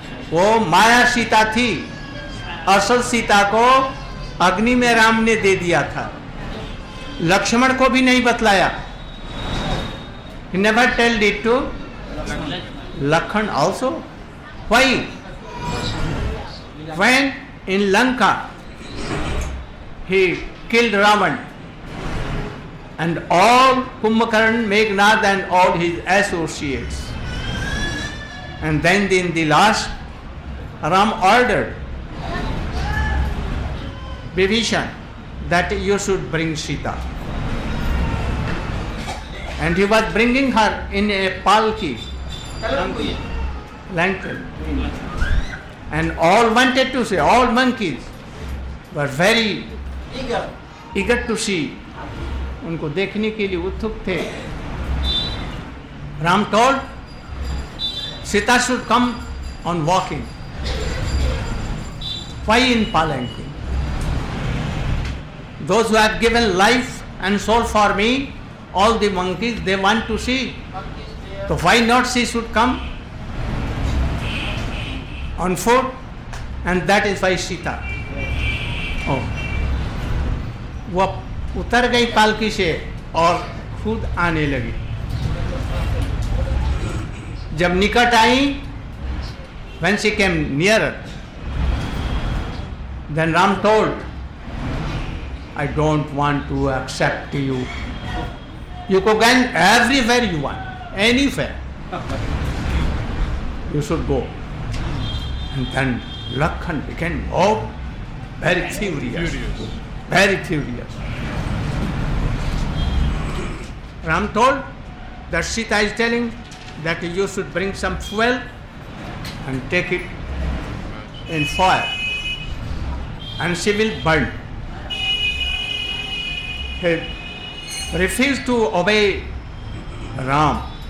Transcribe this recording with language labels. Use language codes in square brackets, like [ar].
[hi] वो माया सीता थी, असल सीता को अग्नि में राम ने दे दिया था, लक्ष्मण को भी नहीं बतलाया, [en] he never told it to [hi] Lakhan also, why? [en] When in Lanka he killed Ravan and all Kumbhakaran, Meghnad and all his associates, and then in the last Ram ordered Vibhishan that you should bring Sita, and he was bringing her in a palki, lantern, and all wanted to see, all monkeys were very eager to see, [hi] उनको देखने के लिए उत्सुक थे। [en] Ram told Sita should come on walking फाइ in palanquin, those who have given life and soul for me, all the monkeys they want to see, तो why not she should come on foot, and that is why [hi] Sita वो उतर गई पालकी से और खुद आने लगी। जब निकट आई, [en] When she came near, then Ram told I don't want to accept you, you go again everywhere you want, anywhere you should go, and then Lakhan became very furious, very furious. Ram told that Sita is telling that you should bring some fuel and take it in fire and she will burn. He refused to obey Ram.